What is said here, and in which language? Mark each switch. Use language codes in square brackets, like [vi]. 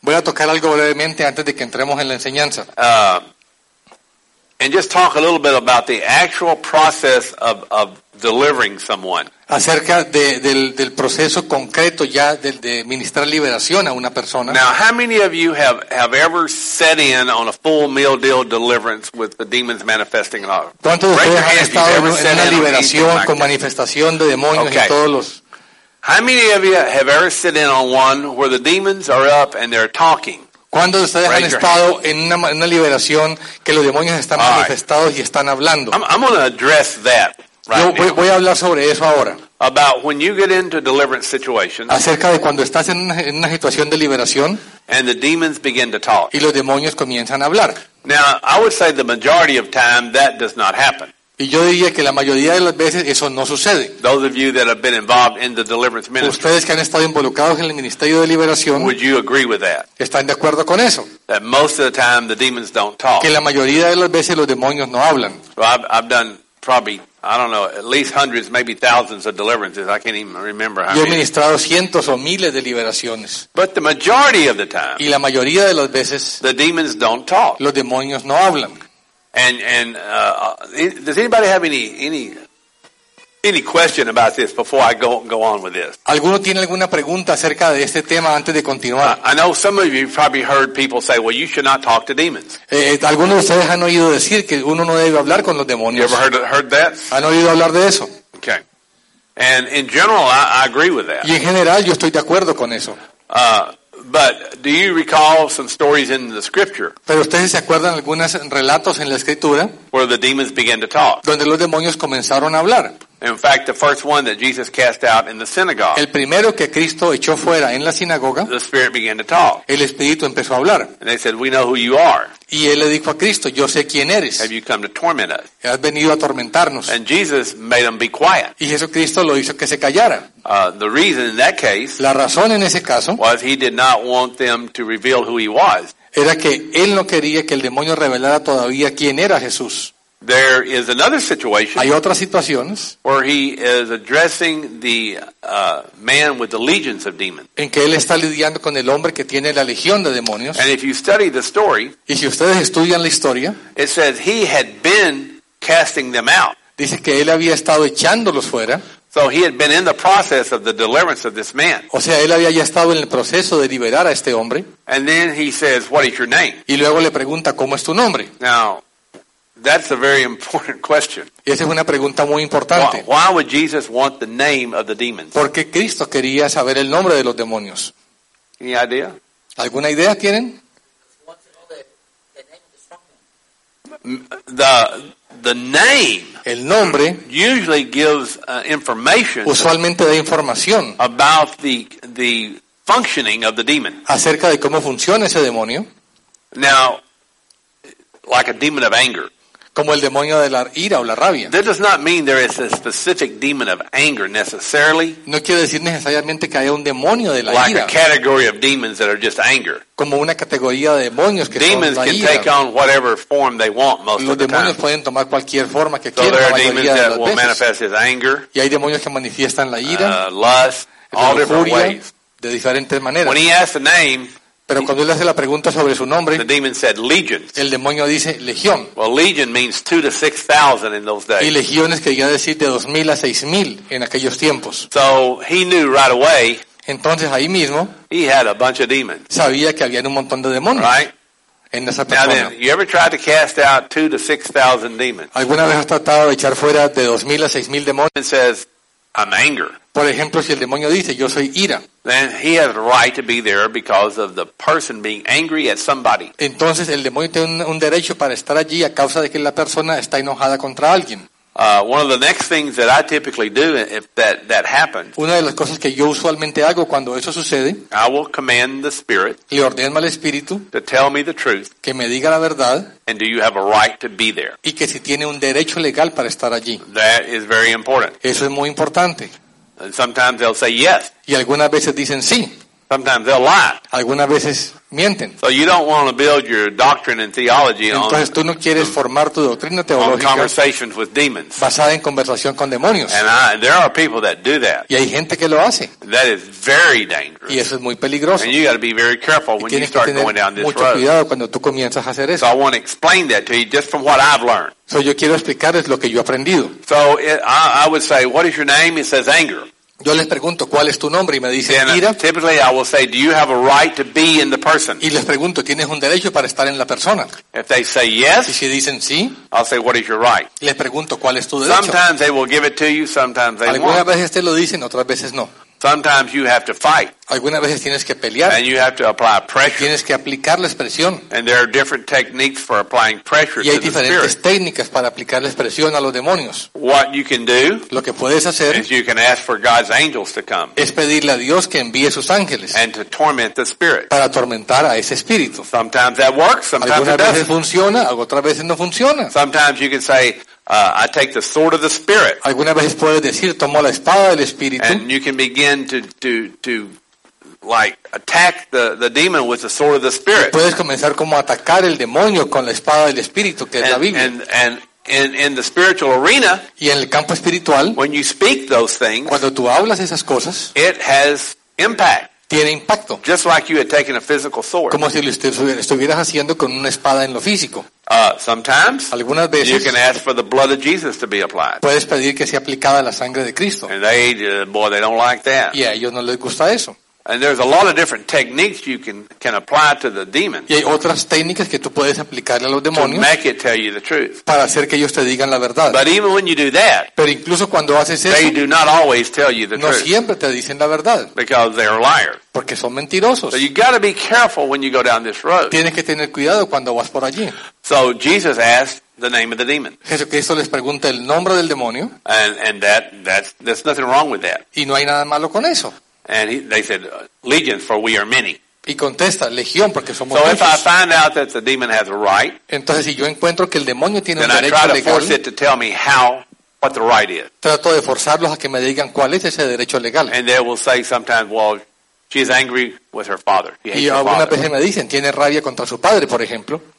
[es] Voy a tocar algo brevemente antes de que entremos en la enseñanza. [en] And just talk a little bit about the actual process of delivering someone. [es] Acerca del proceso concreto ya de ministrar liberación a una persona. [en] Now, how many of you have ever sat in on a full meal deal deliverance with the demons manifesting? [es] ¿Cuántos de ustedes han estado en una liberación con manifestación de demonios y todos los? [en] How many of you have ever sat in on one where the demons are up and they're talking? [es] ¿Cuándo ustedes han estado en una liberación que los demonios están manifestados y están hablando? [en] I'm going to address that right [es] now. Voy a hablar sobre eso ahora. [en] About when you get into deliverance situations. [es] Acerca de cuando estás en una situación de liberación. [en] And the demons begin to talk. [es] Y los demonios comienzan a hablar. [en] Now, I would say the majority of time that does not happen. [es] Y yo diría que la mayoría de las veces eso no sucede. [en] Those of you that have been involved in the deliverance ministry, [es] ustedes que han estado involucrados en el ministerio de liberación, [en] would you agree with that? [es] ¿Están de acuerdo con eso? [en] That most of the time the demons don't talk. [es] Que la mayoría de las veces los demonios no hablan. [en] So I've done probably, I don't know, at least hundreds, maybe thousands of deliverances. I can't even remember how many. [es] Yo he ministrado cientos o miles de liberaciones. [en] But the majority of the time, [es] y la mayoría de las veces, [en] the demons don't talk. [es] Los demonios no hablan. [en] And does anybody have any question about this before I go on with this? [es] ¿Alguno tiene alguna pregunta acerca de este tema antes de continuar? [en] I know some of you probably heard people say, "Well, you should not talk to demons." [es] ¿Algunos de ustedes han oído decir que uno no debe hablar con los demonios? [en] You ever heard that? [es] ¿Han oído hablar de eso? [en] Okay. And in general, I agree with that. [es] Y en general, yo estoy de acuerdo con eso. [en] But do you recall some stories in the scripture? [es] ¿Pero ustedes se acuerdan algunos relatos en la escritura? [en] Where the demons began to talk. [es] Donde los demonios comenzaron a hablar. [en] In fact, the first one that Jesus cast out in the synagogue. [es] El primero que Cristo echó fuera en la sinagoga. [en] The spirit began to talk. [es] El espíritu empezó a hablar. [en] And they said, "We know who you are." [es] Y él le dijo a Cristo, "Yo sé quién eres." [en] Have you come to torment us? [es] ¿Has venido a atormentarnos? [en] And Jesus made them be quiet. [es] Y Jesucristo lo hizo que se callara. [en] The reason in that case. [es] La razón en ese caso. [en] Was he did not want them to reveal who he was. [es] Era que él no quería que el demonio revelara todavía quién era Jesús. [en] There is another situation. [es] Hay otras situaciones. [en] Where he is addressing the man with the legions of demons. [es] En que él está lidiando con el hombre que tiene la legión de demonios. [en] And if you study the story. [es] Y si ustedes estudian la historia. [en] It says he had been casting them out. [es] Dice que él había estado echándolos fuera. [en] So he had been in the process of the deliverance of this man. [es] O sea, él había ya estado en el proceso de liberar a este hombre. [en] And then he says, "What is your name?" [es] Y luego le pregunta, "¿Cómo es tu nombre?" [en] Now, that's a very important question. [es] Y esa es una pregunta muy importante. [en] Why would Jesus want the name of the demons? [es] Porque Cristo quería saber el nombre de los demonios. [en] Any idea? [es] ¿Alguna idea tienen? [en] The name. [es] El nombre [en] usually gives information. [es] Usualmente da información [en] about the functioning of the demon. [es] Acerca de cómo funciona ese demonio. [en] Now, like a demon of anger. [es] Como el demonio de la ira o la rabia. [en] That does not mean there is a specific demon of anger necessarily. [es] No quiere decir necesariamente que haya un demonio de la [en] like [es] ira. [en] Like a category of demons that are just anger. [es] Como una categoría de demonios que [en] demons [es] son la ira. [en] Demons can take on whatever form they want most [es] los [en] of the [es] time. Los demonios pueden tomar cualquier forma que quieran. [en] So there are [es] la mayoría [en] demons [es] veces. [en] Will manifest as anger. [es] Y hay demonios que manifiestan la ira. [en] Lust, all different ways. [es] De diferentes maneras. [en] When he asks the name. [es] Pero cuando él hace la pregunta sobre su nombre, [en] the demon said legions. [es] El demonio dice legión. [en] Well, legion means 2,000 to 6,000 in those days. [es] Y legión es que quería decir de 2,000 a 6,000 en aquellos tiempos. [en] So he knew right away. [es] Entonces ahí mismo, [en] he had a bunch of demons. [es] Sabía que había un montón de demonios. [en] Right. [es] En esa persona. [en] Now then, you ever tried to cast out 2,000 to 6,000 demons? [es] ¿Alguna vez has tratado de echar fuera de 2,000 a 6,000 demonios? [en] And says, "I'm anger." [es] Por ejemplo, si el demonio dice, "Yo soy ira." [en] Then he has a right to be there because of the person being angry at somebody. [es] Entonces el demonio tiene un derecho para estar allí a causa de que la persona está enojada contra alguien. [en] One of the next things that I typically do if that happens. [es] Una de las cosas que yo usualmente hago cuando eso sucede. [en] I will command the spirit. [es] Le ordeno al espíritu. [en] To tell me the truth. [es] Que me diga la verdad. [en] And do you have a right to be there? [es] Y que si tiene un derecho legal para estar allí. [en] That is very important. [es] Eso es muy importante. [en] And sometimes they'll say yes. [es] Y algunas veces dicen sí. [en] Sometimes they'll lie. [es] Algunas veces mienten. [en] So you don't want to build your doctrine and theology on. [es] Entonces tú no quieres formar tu doctrina teológica. [en] On conversations with demons. [es] Basada en conversación con demonios. [en] And there are people that do that. [es] Y hay gente que lo hace. [en] That is very dangerous. [es] Y eso es muy peligroso. [en] And you got to be very careful when you start going down this road. [es] Tienes que tener mucho cuidado cuando tú comienzas a hacer eso. [en] So I want to explain that to you just from what I've learned. [es] So yo quiero explicarles lo que yo he aprendido. [en] So I would say, what is your name? It says anger. [es] Yo les pregunto, ¿cuál es tu nombre? Y me dicen, [en] then, [es] ira. [en] Typically I will say, do you have a right to be in the person? [es] Y les pregunto, ¿tienes un derecho para estar en la persona? [en] If they say yes, [es] y si dicen sí, [en] I'll say, what is your right? [es] Les pregunto, ¿cuál es tu derecho? [en] Sometimes they will give it to you, sometimes they [es] algunas [en] won't. [es] Veces te lo dicen, otras veces no. [en] Sometimes you have to fight. [es] Algunas veces tienes que pelear. [en] And you have to apply pressure. [es] Tienes que aplicarles presión. [en] And there are different techniques for applying pressure to the spirit. [es] Y hay diferentes técnicas para aplicarles presión a los demonios. [en] What you can do, [es] lo que puedes hacer, [en] is you can ask for God's angels to come. [es] Es pedirle a Dios que envíe sus ángeles. [en] And to torment the spirit. [es] Para atormentar a ese espíritu. [en] Sometimes that works, sometimes [es] algunas veces funciona, otras veces no funciona. [en] Sometimes you can say, I take the sword of the spirit. [es] Alguna vez puedes decir, tomo la espada del espíritu. [en] And you can begin to like attack the demon with the sword of the spirit. [es] Puedes comenzar como a atacar el demonio con la espada del espíritu que es la Biblia. [en] And in the spiritual arena, [es] y en el campo espiritual, [en] when you speak those things, [es] cuando tú hablas esas cosas, [en] it has impact. [es] Tiene impacto. [en] Just like you had taken a physical sword. [es] Como si lo estuvieras haciendo con una espada en lo físico. [en] Sometimes, [es] algunas veces, [en] you can ask for the blood of Jesus to be applied. [es] Puedes pedir que sea aplicada la sangre de Cristo. [en] And they, boy, they don't like that. [es] Y a ellos no les gusta eso. [en] And there's a lot of different techniques you can apply to the demon. [es] Y hay otras técnicas que tú puedes aplicarle a los demonios. [en] To make it tell you the truth. [es] Para hacer que ellos te digan la verdad. [en] But even when you do that, [es] pero incluso cuando haces eso, [en] they do not always tell you the [es] no [en] truth. [es] No siempre te dicen la verdad. [en] Because they're liars. [es] Porque son mentirosos. [en] So you got to be careful when you go down this road. [es] Tienes que tener cuidado cuando vas por allí. [en] So Jesus asked the name of the demon. [es] Jesucristo les pregunta el nombre del demonio. [en] And that there's nothing wrong with that. [es] Y no hay nada malo con eso. [en] And they said, legion, for we are many. [es] Y contesta, legión, porque somos [en] so [es] muchos. [en] So if I find out that the demon has a right, [es] entonces si yo encuentro que el demonio tiene [en] then [es] un derecho [en] I try to [es] legal, [en] force it to tell me how, what the right is. [es] Trato de forzarlos a que me digan cuál es ese derecho legal. [en] And they will say sometimes, well, she is angry with her father. [es] Y algunas veces me dicen, tiene rabia contra su padre, por ejemplo.